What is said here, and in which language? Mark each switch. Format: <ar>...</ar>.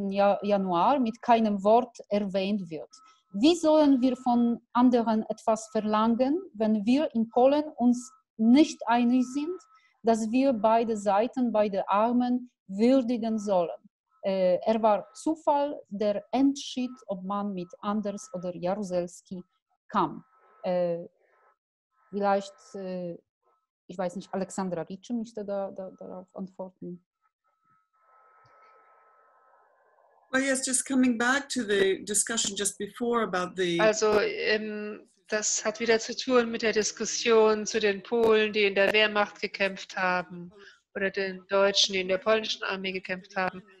<de>Januar mit keinem Wort erwähnt wird. Wie sollen wir von anderen etwas verlangen, wenn wir in Polen uns nicht einig sind, dass wir beide Seiten, beide Armen würdigen sollen? Er war Zufall, der entschied, ob man mit Anders oder Jaruzelski kam. Vielleicht, ich weiß nicht, Alexandra Ritschen möchte darauf antworten.</de> <en>Well, yes, just coming back to the discussion just before about the.</en> <de>Also, das hat wieder zu tun mit der Diskussion zu den Polen, die in der Wehrmacht gekämpft haben, oder den Deutschen, die in der polnischen Armee gekämpft haben.</de>